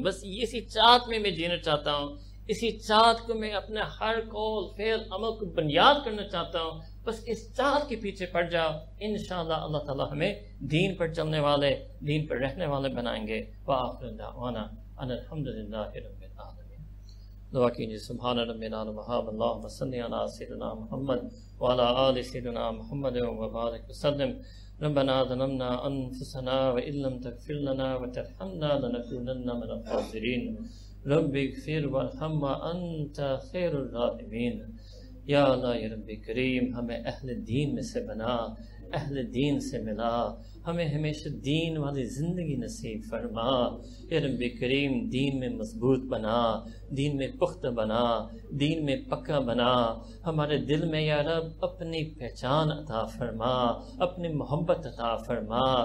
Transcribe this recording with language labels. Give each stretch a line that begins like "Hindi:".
Urdu: بس اسی چاہت میں میں جینا چاہتا ہوں, اسی چاہت کو میں اپنے ہر قول, فعل, عمل کو بنیاد کرنا چاہتا ہوں. بس اس چاہت کے پیچھے پڑ جاؤ, انشاءاللہ اللہ تعالی ہمیں دین پر چلنے والے, دین پر رہنے والے بنائیں گے.
Arabic: وآخر دعوانا ان الحمد للہ رب العالمین.
Urdu: دعا کیجیے,
Arabic: سبحان ربنا المحاب, اللهم صل على سيدنا محمد وعلى آل سيدنا محمد وبارك وسلم. ربنا ظلمنا أنفسنا وإن لم تغفر لنا وترحمنا لنكونن من الخاسرين. رب اغفر وارحم وأنت خير الراحمين. يا الله يا رب كريم,
Urdu: ہمیں اہل دین میں سے بنا, اہل دین سے ملا ہمیں ہمیشہ دین والی زندگی نصیب فرما اے رب کریم دین میں مضبوط بنا دین میں پختہ بنا دین میں پکا بنا ہمارے دل میں یا رب اپنی پہچان عطا فرما اپنی محبت عطا فرما